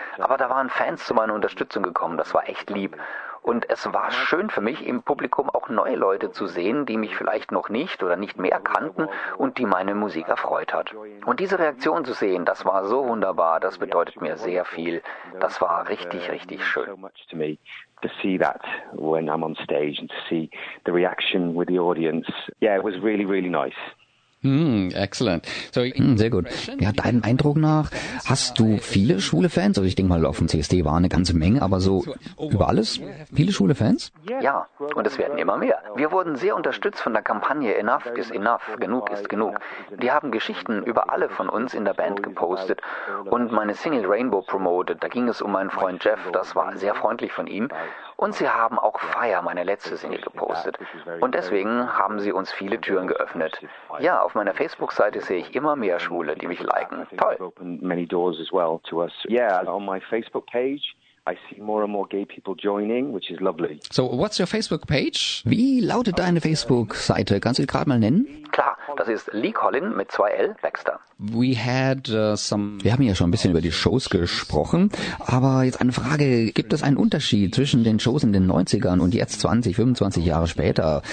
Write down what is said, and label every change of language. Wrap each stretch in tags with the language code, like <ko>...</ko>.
<de>Aber da waren Fans zu meiner Unterstützung gekommen. Das war echt lieb. Und es war schön für mich, im Publikum auch neue Leute zu sehen, die mich vielleicht noch nicht oder nicht mehr kannten und die meine Musik erfreut hat. Und diese Reaktion zu sehen, das war so wunderbar, das bedeutet mir sehr viel. Das war richtig, richtig schön.</de> <en>To see that when I'm on stage and to see the reaction with the audience. Yeah, it was really, really nice. Excellent.</en> <de>So, sehr gut. Ja, deinem Eindruck nach, hast du viele schwule Fans? Also ich denke mal, auf dem CSD war eine ganze Menge, aber so über alles viele schwule Fans? Ja, und es werden immer mehr. Wir wurden sehr unterstützt von der Kampagne Enough is Enough, Genug ist Genug. Die haben Geschichten über alle von uns in der Band gepostet und meine Single Rainbow promoted. Da ging es um meinen Freund Jeff, das war sehr freundlich von ihnen. Und sie haben auch Fire, meine letzte Single, gepostet. Und deswegen haben sie uns viele Türen geöffnet. Ja, auf meiner Facebook-Seite sehe ich immer mehr Schwule, die mich liken. Toll.</de> <en>Many doors as well to us. Yeah, on my Facebook page, I see more and more gay people joining, which is lovely. So, what's your Facebook page?</en> <de>Wie lautet deine Facebook-Seite? Kannst du sie gerade mal nennen? Klar, das ist Lee Colin mit 2L Baxter. Wir haben ja schon ein bisschen über die Shows gesprochen, aber jetzt eine Frage, gibt es einen Unterschied zwischen den Shows in den 90ern und jetzt 20, 25 Jahre später?</de>